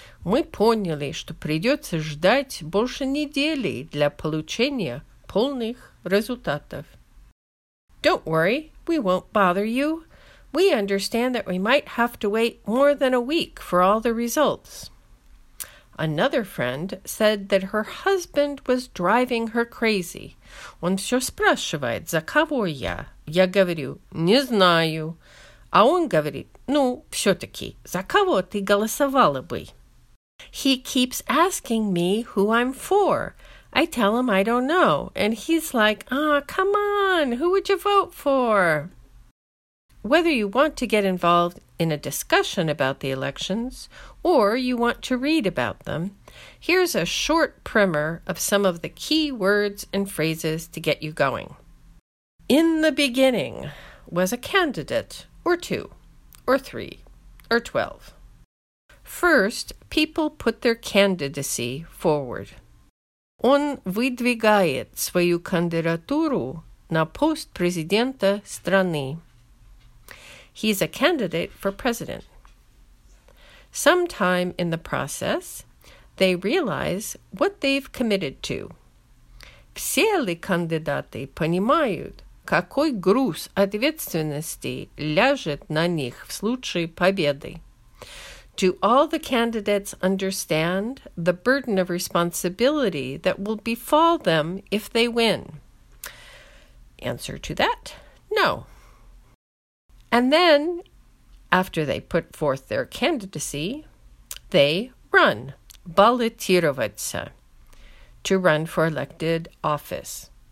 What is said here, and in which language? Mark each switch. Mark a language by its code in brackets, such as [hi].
[ru] Мы поняли, что придется ждать больше недели для получения полных результатов." [en] Don't worry, we won't bother you. We understand that we might have to wait more than a week for all the results. Another friend said that her husband was driving her crazy. [ru] Он все спрашивает, за кого я? Я говорю, не знаю. А он говорит, ну, все-таки, за кого ты голосовала бы? [en] He keeps asking me who I'm for. I tell him I don't know. And he's like, ah, come on, who would you vote for? Whether you want to get involved in a discussion about the elections, or you want to read about them, here's a short primer of some of the key words and phrases to get you going. In the beginning was a candidate, or two, or three, or 12. First, people put their candidacy forward. [ru] Он выдвигает свою кандидатуру на пост президента страны. [en] He's a candidate for president. Sometime in the process, they realize what they've committed to. [ru] Все ли кандидаты понимают, какой груз ответственности ляжет на них в случае победы? [en] Do all the candidates understand the burden of responsibility that will befall them if they win? Answer to that, no. And then, after they put forth their candidacy, they run, баллотироваться, to run for elected office.